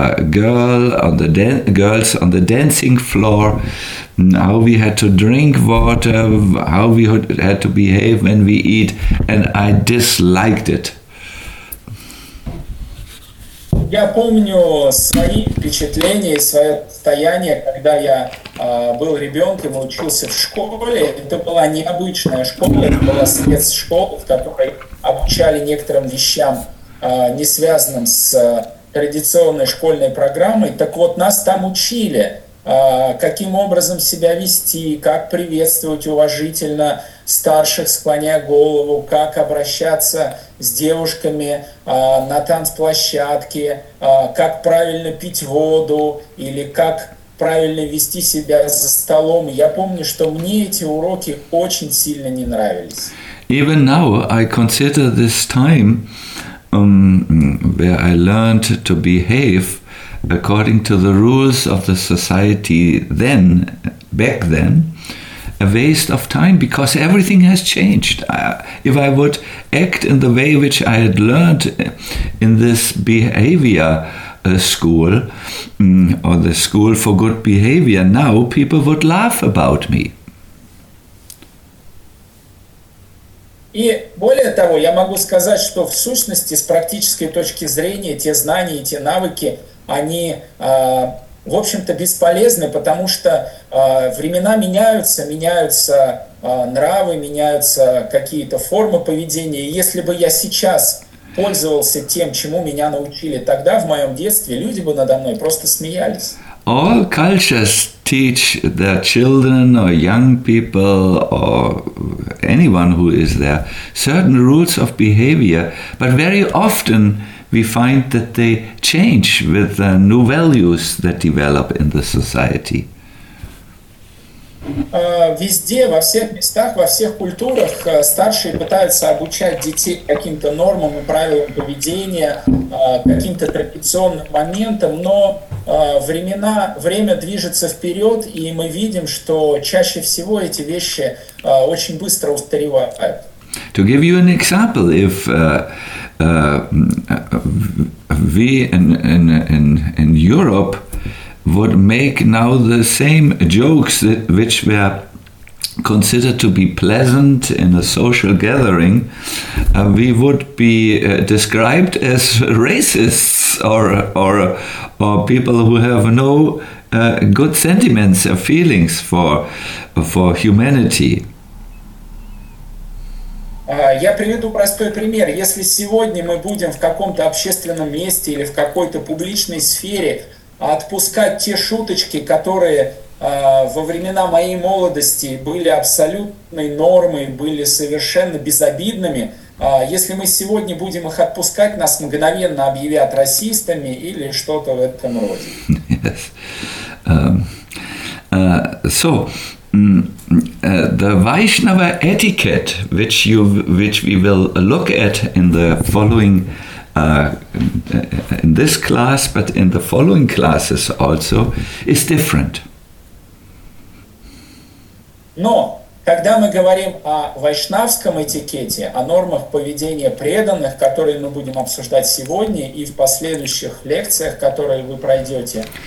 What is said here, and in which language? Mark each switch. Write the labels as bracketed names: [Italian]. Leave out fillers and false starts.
[English] girls on the dancing floor, how we had to drink water, how we had to behave when we eat, and I disliked it. [Russian] Я помню свои впечатления и свое состояние, когда я был ребенком и учился в школе. Это была необычная школа, это была спецшкола, в которой обучали некоторым вещам, не связанным с традиционной школьной программой. Так вот, нас там учили, каким образом себя вести, как приветствовать уважительно старших, склоняя голову, как обращаться с девушками на танцплощадке, как правильно пить воду или как правильно вести себя за столом. Я помню, что мне эти уроки очень сильно не нравились. [English] Even now I consider this time where I learned to behave according to the rules of the society then, back then, a waste of time, because everything has changed. If I would act in the way which I had learned in this behavior school, or the school for good behavior, now people would laugh about me. [Russian] И более того, я могу сказать, что в сущности, с практической точки зрения, те знания, те навыки, они, в общем-то, бесполезны, потому что времена меняются, меняются нравы, меняются какие-то формы поведения. И если бы я сейчас пользовался тем, чему меня научили тогда, в моем детстве, люди бы надо мной просто смеялись. [English] All cultures teach their children or young people or anyone who is there certain rules of behavior, but very often we find that they change with the new values that develop in the society. [Russian] Везде, во всех местах, во всех культурах старшие пытаются обучать детей каким-то нормам и правилам поведения, каким-то традиционным моментам, но время движется вперед, и мы видим, что чаще всего эти вещи очень быстро устаревают. [English] To give you an example, if we in Europe would make now the same jokes that which were considered to be pleasant in a social gathering, we would be described as racists or people who have no good sentiments or feelings for humanity. [Russian] Я приведу простой пример. Если сегодня мы будем в каком-то общественном месте или в какой-то публичной сфере отпускать те шуточки, которые во времена моей молодости были абсолютной нормой, были совершенно безобидными, если мы сегодня будем их отпускать, нас мгновенно объявят расистами или что-то в этом роде. [English] Yes. So, the Vaishnava etiquette, which we will look at in the following in this class, but in the following classes also, is different. [Russian] Но когда мы говорим о вайшнавском этикете, о нормах поведения преданных, которые мы будем обсуждать сегодня и в последующих лекциях, которые вы пройдете,